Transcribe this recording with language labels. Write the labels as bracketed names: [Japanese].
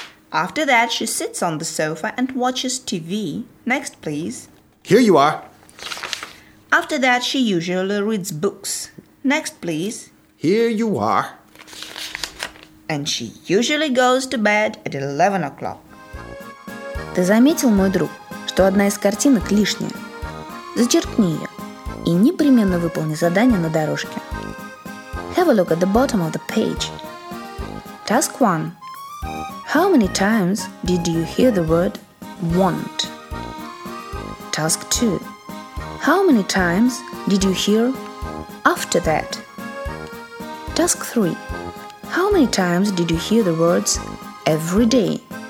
[English] After that, she sits on the sofa and watches TV. Next, please. Here you are. After that, she usually reads books. Next, please. Here you are. And she usually goes to bed at 11 o'clock. [Russian] Ты заметил, мой друг, что одна из картинок лишняя? Зачеркни ее и непременно выполни задание на дорожке. [English] Have a look at the bottom of the page. Task 1. How many times did you hear the word want? Task 2. How many times did you hear after that? Task 3. How many times did you hear the words every day?